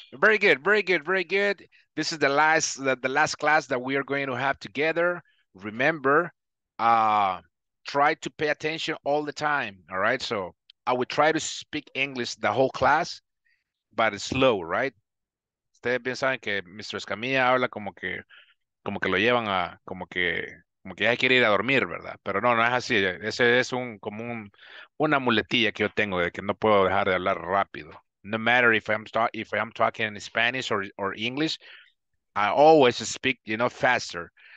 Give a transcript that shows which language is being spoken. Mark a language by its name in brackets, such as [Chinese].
[English] Very good, very good, very good. This is the last class that we are going to have together. Remember, try to pay attention all the time, all right? So I will try to speak English the whole class, but it's slow, right? [Spanish] ustedes bien saben que Mr. Escamilla habla como que lo llevan a como que ya quiere ir a dormir, ¿verdad? Pero no es así. Ese es un como un una muletilla que yo tengo de que no puedo dejar de hablar rápido. [English] No matter if I'm talking in Spanish or English, I always speak, you know, faster.